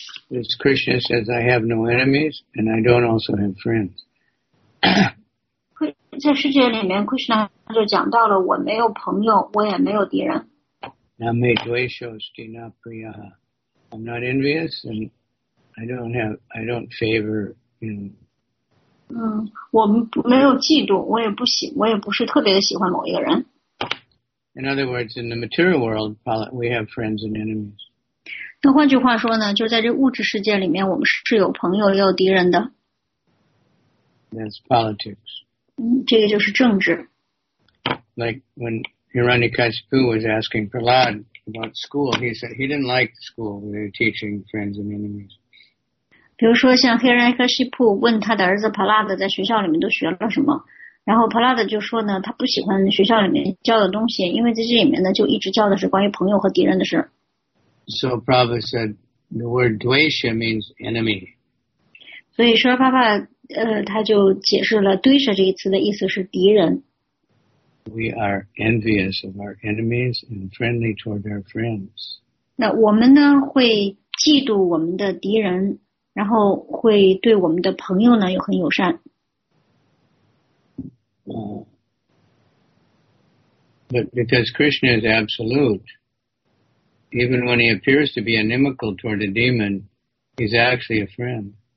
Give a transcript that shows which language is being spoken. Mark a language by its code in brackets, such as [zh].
[en] As Krishna says, I have no enemies, and I don't also have friends. [zh] 在世界里面 ，Krishna 就讲到了我没有朋友，我也没有敌人。 [sa] Now, me dveshos dina priyaha. [en] I'm not envious, and I don't favor, you know. [zh] 嗯，我没有嫉妒，我也不是特别的喜欢某一个人。 [en] In other words, in the material world, we have friends and enemies. [zh] 那换句话说呢，就在这物质世界里面，我们是有朋友也有敌人的。 [en] That's politics. [zh] 嗯，这个就是政治。 [en] Like when Hiranyakashipu was asking Prahlad about school, he said he didn't like school. They were teaching friends and enemies. [zh] 比如说，像 Hiranyakashipu 问他的儿子 Prahlad 在学校里面都学了什么，然后 Prahlad 就说呢，他不喜欢学校里面教的东西，因为在这里面呢，就一直教的是关于朋友和敌人的事。 [en] So Prabhupada said the word dvesha means enemy. [zh] 所以说，爸爸。他就解释了 dvesha 这一词的意思是敌人。 [en] We are envious of our enemies and friendly toward our friends. [zh] 那我们呢会嫉妒我们的敌人，然后会对我们的朋友呢又很友善。 [en] But because Krishna is absolute, even when he appears to be inimical toward a demon, he's actually a friend.